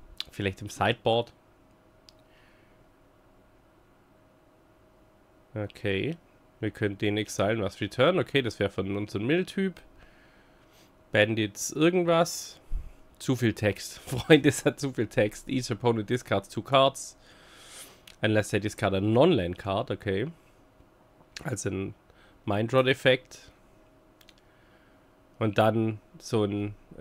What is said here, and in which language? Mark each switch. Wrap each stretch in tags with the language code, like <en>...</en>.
<de>Vielleicht im Sideboard. Okay. Wir können den exilen, was return. Okay, das wäre von unserem Mill-Typ. Bandits, irgendwas. Zu viel Text. Freund, das hat zu viel Text.</de> <en>Each opponent discards two cards. Unless they discard a non-land card.</en> <de>Okay. Also ein Mind-Rot-Effekt. Und dann so ein.</de>